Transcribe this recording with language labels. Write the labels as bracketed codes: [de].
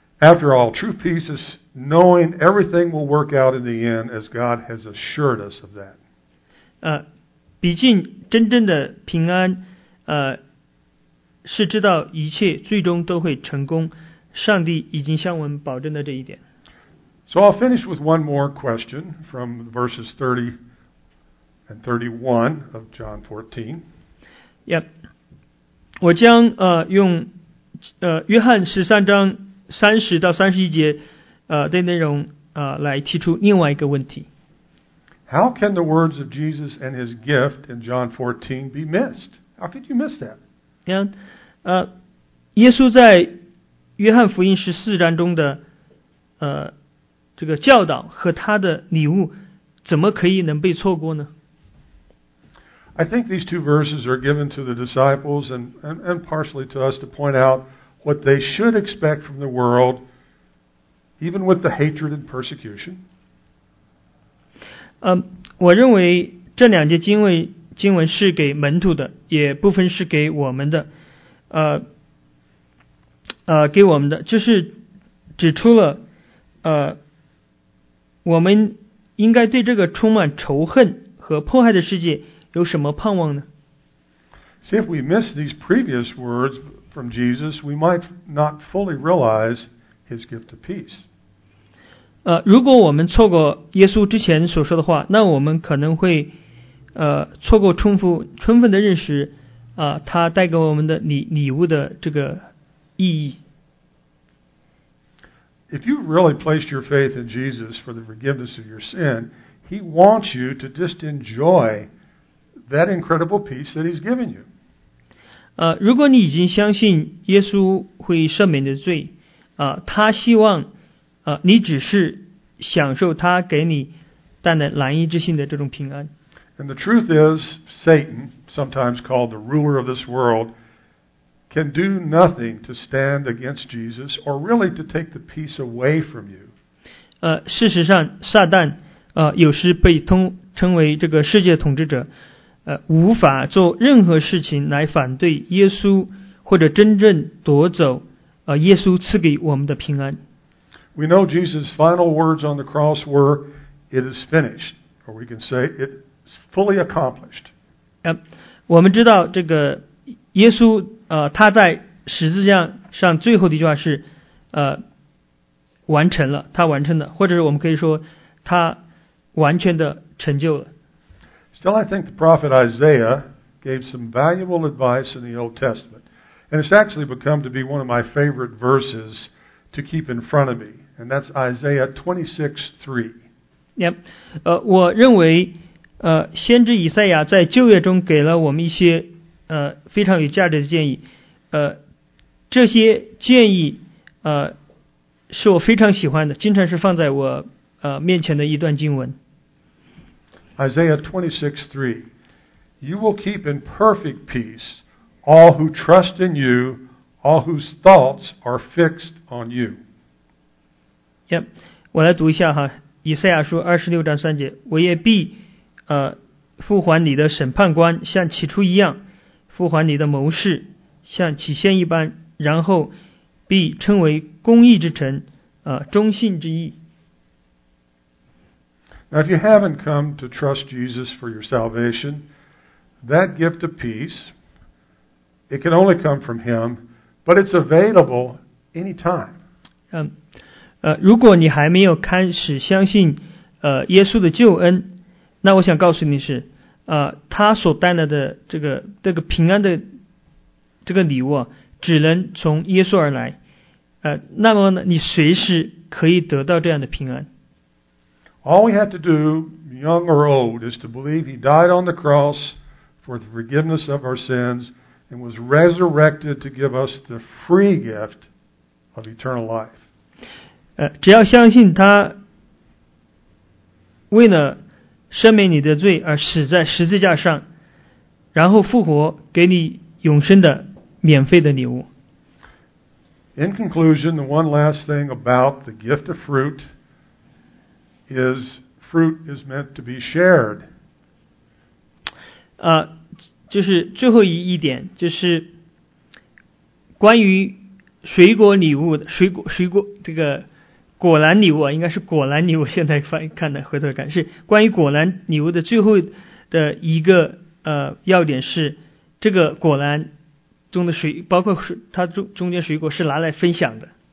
[en] After all, true peace is knowing everything will work out in the end as God has assured us of that. [zh] 毕竟真正的平安是知道一切最终都会成功，上帝已经向我们保证了这一点。 [en] So I'll finish with one more question from verses 30 and 31 of John 14. Yep. [zh] 我将用约翰十三章三十到三十一节的内容来提出另外一个问题。 [en] How can the words of Jesus and his gift in John 14 be missed? How could you miss that? [zh] Yeah, 耶稣在约翰福音十四章中的这个教导和他的礼物，怎么可以能被错过呢？ [en] I think these two verses are given to the disciples and partially to us to point out what they should expect from the world, even with the hatred and persecution. [zh] 我认为这两节经文是给门徒的，也部分是给我们的，给我们的，就是指出了，我们应该对这个充满仇恨和迫害的世界有什么盼望呢？ [en] See, if we miss these previous words from Jesus, we might not fully realize his gift of peace. [zh] 如果我们错过耶稣之前所说的话，那我们可能会错过充分的认识它带给我们的礼物的这个意义。 [en] If you really placed your faith in Jesus for the forgiveness of your sin, He wants you to just enjoy that incredible peace that He's given you. [zh] 如果你已经相信耶稣会赦免你的罪，他希望你只是享受他给你带来蓝衣之心的这种平安。 [en] And the truth is, Satan, sometimes called the ruler of this world, can do nothing to stand against Jesus or really to take the peace away from you. [zh] 事实上，撒旦有时被称为这个世界统治者，无法做任何事情来反对耶稣或者真正夺走耶稣赐给我们的平安。 [en] We know Jesus' final words on the cross were, "It is finished," or we can say, "It." Fully accomplished. [zh] 我们知道这个耶稣他在十字架上最后的一句话是完成了，他完成了，或者是我们可以说他完全的成就了。 [en] Still, I think the prophet Isaiah gave some valuable advice in the Old Testament, and it's actually become to be one of my favorite verses to keep in front of me, and that's Isaiah 26:3. Yep. [zh] 我认为先知以赛亚在旧约中给了我们一些非常有价值的建议，这些建议是我非常喜欢的，经常是放在我面前的一段经文。 [en] Isaiah 26:3, "You will keep in perfect peace all who trust in you, all whose thoughts are fixed on you." [zh] Yep, 我来读一下哈，以赛亚书26:3，我也必复还你的审判官像起初一样，复还你的谋士像起先一般，然后必称为公义之臣，忠信之义。 [en] Now, if you haven't come to trust Jesus for your salvation, that gift of peace, it can only come from Him, but it's available anytime. [zh] 如果你还没有开始相信耶稣的救恩，那我想告诉你是他所带来的这个平安的这个礼物只能从耶稣而来，那么呢，你随时可以得到这样的平安。 [en] All we have to do, young or old, is to believe He died on the cross for the forgiveness of our sins and was resurrected to give us the free gift of eternal life. [zh] 只要相信他为了赦免你的罪而死在十字架上，然后复活，给你永生的免费的礼物。 [en] In conclusion, the one last thing about the gift of fruit is fruit is meant to be shared. [zh] 就是最后一点，就是关于水果礼物的水果这个。果篮礼物应该是果篮礼物，现在看的回头看是关于果篮礼物的最后的一个要点是，这个果篮中的水包括它中间水果是拿来分享的。